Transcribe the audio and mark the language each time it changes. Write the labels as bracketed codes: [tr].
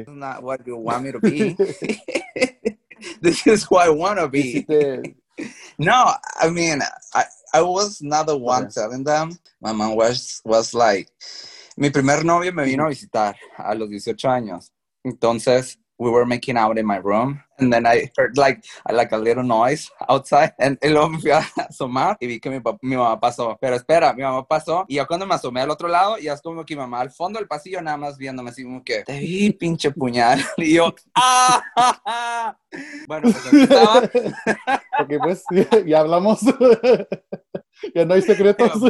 [en] It's not what you want me to be. This is who I want to be. No, I mean, I was not the one telling them. My mom was like, [es] mi primer novio me vino a visitar a los 18 años. [en] Entonces, we were making out in my room. And then I heard like a little noise outside. [es] And luego me fui a asomar y vi que mi mamá pasó. Pero espera, mi mamá pasó. Y yo cuando me asomé al otro lado, ya es como que mi mamá al fondo del pasillo nada más viéndome así como que, te vi, pinche puñal. Y yo, ¡ah! Bueno, pues aquí estaba. Ok, pues, ya hablamos. Ya no hay secretos.